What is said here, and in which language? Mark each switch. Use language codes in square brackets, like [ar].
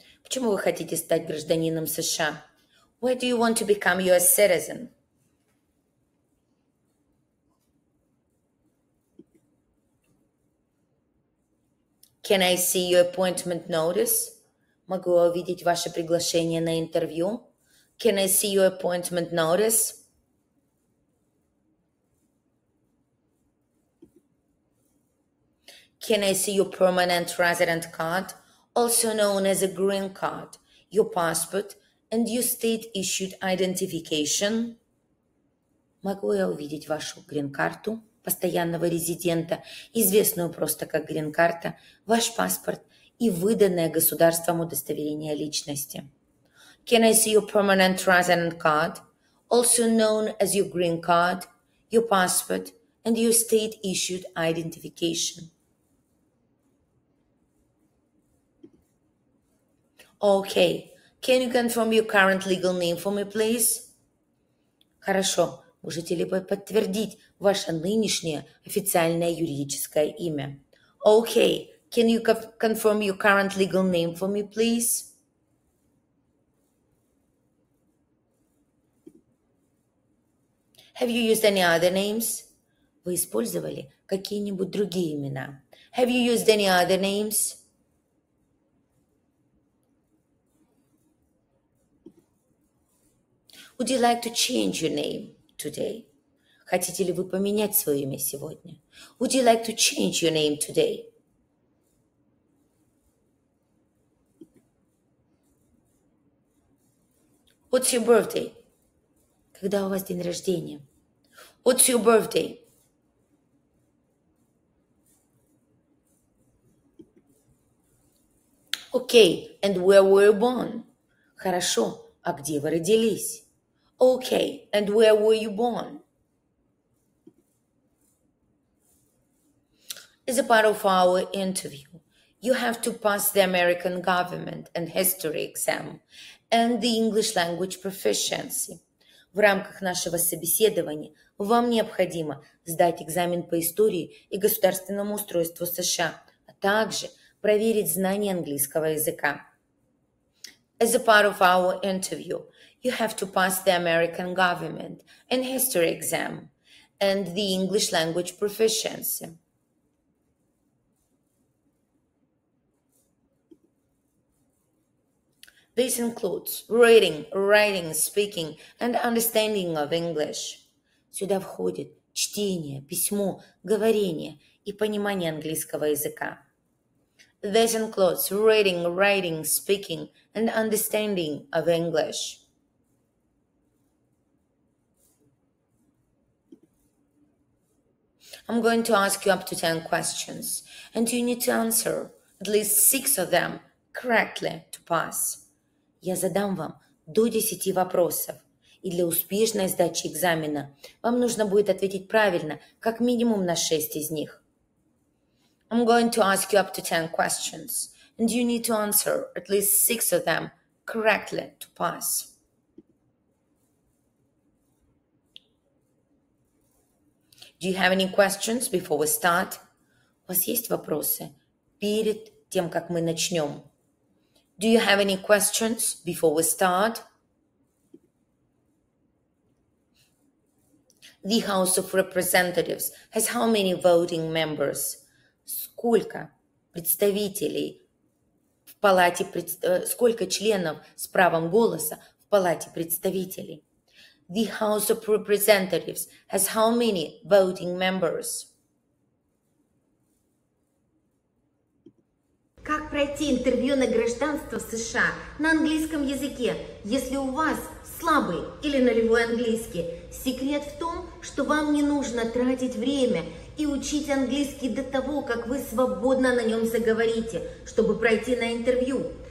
[ru] Почему вы хотите стать гражданином США? [en] Where do you want to become US citizen? Can I see your appointment notice? [ru] Могу я увидеть ваше приглашение на интервью? [en] Can I see your appointment notice? Can I see your permanent resident card, also known as a green card, your passport, and your state-issued identification? [ru] Могу я увидеть вашу грин-карту постоянного резидента, известную просто как грин-карта, ваш паспорт и выданное государством удостоверение личности? [en] Can I see your permanent resident card, also known as your green card, your passport, and your state-issued identification? Okay, can you confirm your current legal name for me, please? [ru] Хорошо, можете ли вы подтвердить ваше нынешнее официальное юридическое имя? [en] Okay, can you confirm your current legal name for me, please? Have you used any other names? [ru] Вы использовали какие-нибудь другие имена? [en] Have you used any other names? Would you like to change your name today? [ru] Хотите ли вы поменять свое имя сегодня? [en] Would you like to change your name today? What's your birthday? [ru] Когда у вас день рождения? [en] What's your birthday? Okay, and where were you born? [ru] Хорошо, а где вы родились? [en] Okay, and where were you born? It's a part of our interview. You have to pass the American government and history exam and the English language proficiency. [ru] В рамках нашего собеседования вам необходимо сдать экзамен по истории и государственному устройству США, а также проверить знания английского языка. [en] As a part of our interview, you have to pass the American government and history exam and the English language proficiency. This includes reading, writing, speaking, and understanding of English. [ru] Сюда входит чтение, письмо, говорение и понимание английского языка. [en] This includes reading, writing, speaking, and understanding of English. I'm going to ask you up to 10 questions, and you need to answer at least 6 of them correctly to pass. [ru] Я задам вам до 10 вопросов, и для успешной сдачи экзамена вам нужно будет ответить правильно как минимум на 6 из них. [en] I'm going to ask you up to 10 questions, and you need to answer at least 6 of them correctly to pass. Do you have any questions before we start? [ru] У вас есть вопросы перед тем, как мы начнем? [en] Do you have any questions before we start? The House of Representatives has how many voting members? [ru] Сколько представителей в палате, сколько членов с правом голоса в палате представителей? [en] The House of Representatives has how many voting members? [ru] Как пройти интервью на гражданство США на английском языке, если у вас слабый или нулевой английский? Секрет в том, что вам не нужно тратить время и учить английский до того, как вы свободно на нем заговорите, чтобы пройти на интервью.